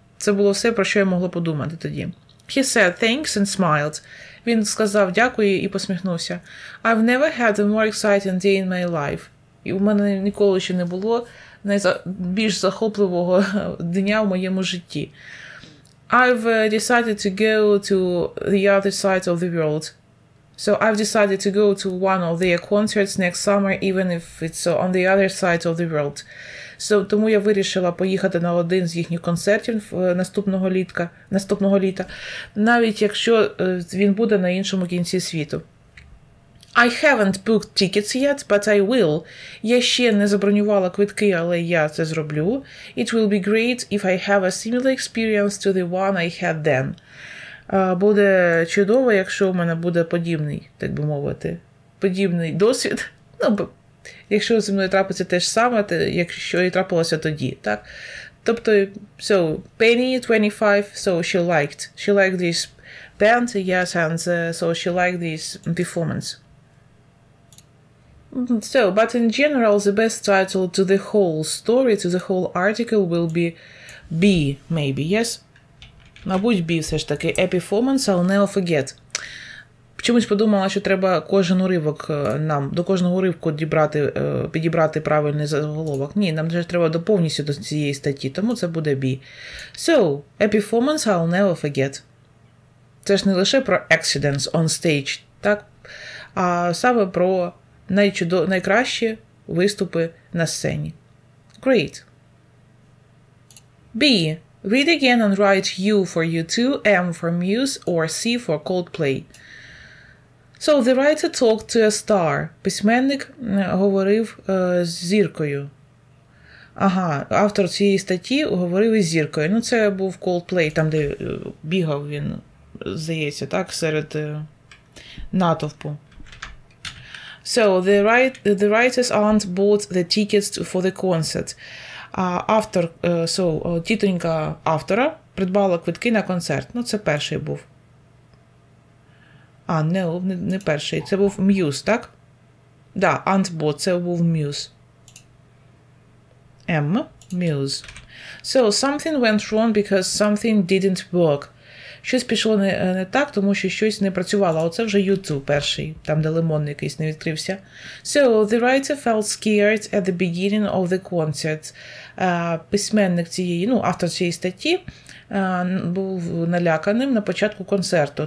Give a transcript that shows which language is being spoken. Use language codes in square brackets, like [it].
[uk] Це було все, про що я могла подумати тоді. [en] He said thanks and smiled. [uk] Він сказав дякую і посміхнувся. [en] I've never had a more exciting day in my life. [uk] І в мене ніколи ще не було найбільш захопливого дня в моєму житті. [en] I've decided to go to the other side of the world. So I've decided to go to one of their concerts next summer, even if it's on the other side of the world. So, [uk] тому я вирішила поїхати на один з їхніх концертів наступного літа, навіть якщо він буде на іншому кінці світу. [en] I haven't booked tickets yet, but I will. [uk] Я ще не забронювала квитки, але я це зроблю. [en] It will be great if I have a similar experience to the one I had then. [uk] Буде чудово, якщо у мене буде подібний, так би мовити, подібний досвід. Ну, якщо зі мною трапиться те ж саме, то, якщо і трапилося тоді, так? [en] Тобто, so, Penny, 25, so she liked. She liked this band, yes, and so she liked this performance. So, but in general, the best title to the whole story, to the whole article will be B, maybe, yes? [uk] Мабуть, B все ж таки. [en] A performance, I'll never forget. [uk] Чомусь подумала, що треба кожен уривок нам, до кожного уривку підібрати правильний заголовок. Ні, нам вже треба доповнитися до цієї статті, тому це буде B. [en] So, a performance, I'll never forget. [uk] Це ж не лише про [en] accidents on stage, [uk] так? а саме про найкращі виступи на сцені. [en] Great. B. Read again and write U for U2, M for Muse, or C for Coldplay. So, the writer talked to a star. [uk] Письменник говорив з зіркою. Ага, автор цієї статті говорив із зіркою. Ну, це був Coldplay, там, де бігав він, здається, так, серед натовпу. [en] So, the writer's aunt bought the tickets for the concert. [uk] Автор, тітонька автора придбала квитки на концерт. Ну, це перший був. А, не перший. Це був Muse, так? Да, [en] aunt bought, [uk] це був Muse. [en] M, Muse. So, something went wrong because something didn't work. [uk] Щось пішло не так, тому що щось не працювало. Оце вже U2 перший, там, де лимон якийсь не відкрився. [en] So, the writer felt scared at the beginning of the concert. [uk] Письменник цієї, ну, автор цієї статті, був наляканим на початку концерту.